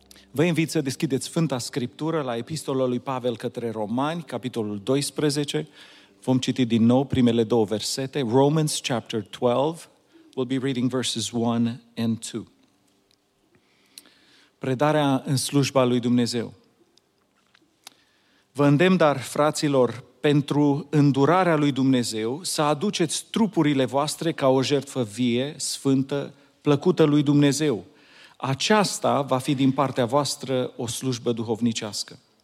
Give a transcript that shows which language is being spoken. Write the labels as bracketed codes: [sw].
[ro] Vă invit să deschideți Sfânta Scriptură la Epistola lui Pavel către Romani, capitolul 12. Vom citi din nou primele două versete. [en] Romans chapter 12. We'll be reading verses 1 and 2. [ro] Predarea în slujba lui Dumnezeu. Vă îndemn, dar, fraților, pentru îndurarea lui Dumnezeu, să aduceți trupurile voastre ca o jertfă vie, sfântă, plăcută lui Dumnezeu. Aceasta va fi din partea voastră o slujbă duhovnicească.